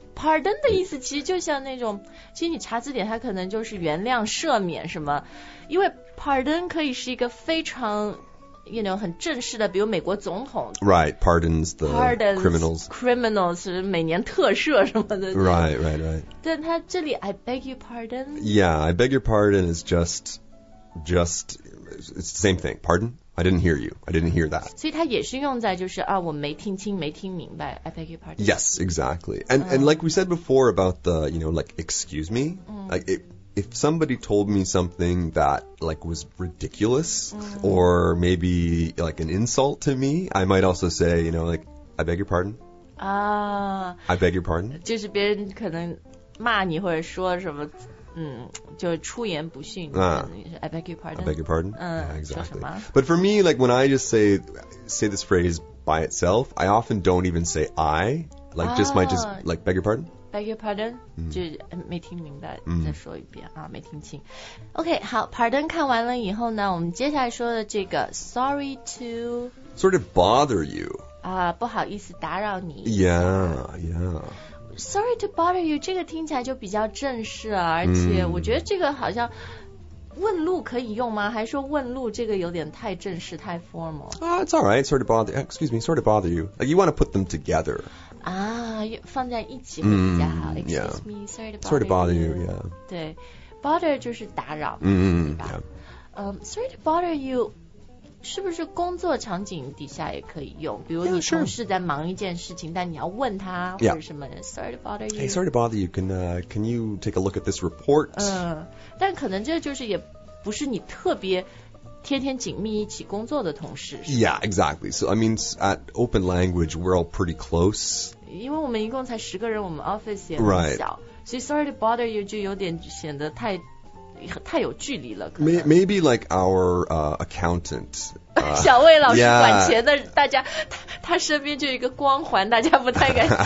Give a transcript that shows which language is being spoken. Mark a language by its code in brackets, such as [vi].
[zh] Pardon 的意思其实就像那种，其实你查字典它可能就是原谅、赦免什么，因为 pardon 可以是一个非常You know, 很正式的，比如美国总统。 [en] Right, pardons the pardons criminals. [zh] Criminals, 每年特赦什么的。 [en] Right. [zh] 但他这里 I beg your pardon. [en] Yeah, I beg your pardon is just, it's the same thing. Pardon? I didn't hear that. [zh] 所以他也是用在就是啊，我没听清，没听明白。 [en] I beg your pardon. Yes, exactly. And,、and like we said before about the, you know, like, excuse me,、like, if somebody told me something that, like, was ridiculous、or maybe, like, an insult to me, I might also say, you know, like, I beg your pardon. I beg your pardon. [zh] 就是别人可能骂你或者说什么,就出言不逊。 [en] I beg your pardon. I beg your pardon. Yeah, exactly. But for me, like, when I just say this phrase by itself, I often don't even say I. Like,、just might just, like, beg your pardon. [zh] Beg your pardon?、就没听明白、再说一遍、啊、没听清。 OK, 好 ,pardon 看完了以后呢我们接下来说的这个 sorry to... [en] Sort of bother you.、 [zh] 不好意思打扰你。 [en] Yeah. [zh] Sorry to bother you, 这个听起来就比较正式了而且我觉得这个好像问路可以用吗还说问路这个有点太正式太 formal?、 [en] It's alright, sorry to bother you. Excuse me, sorry to bother you. Like, you want to put them together. [zh] 放在一起会比较好、Excuse、 [en] yeah. me, sorry to bother, sorry to bother you. You, yeah. [zh] 对 ,bother 就是打扰、 [en] yeah. [zh] Sorry to bother you, 是不是工作场景底下也可以用比如你同事在忙一件事情 [en] yeah, [zh] 但你要问他、 [en] yeah. [zh] 或者什么 ,sorry to bother you. [en] Hey, sorry to bother you, can you take a look at this report?、 [zh] 但可能这就是也不是你特别天天紧密一起工作的同事 [en] Yeah, exactly. So, I mean, at Open Language, we're all pretty close. [zh] 因为我们一共才十个人我们 office 也很小、right. 所以 sorry to bother you 就有点显得太有距离了可能 [en] Maybe like our accountant. [zh] 小魏老师 [en] yeah, [zh] 管钱的大家 他身边就一个光环大家不太敢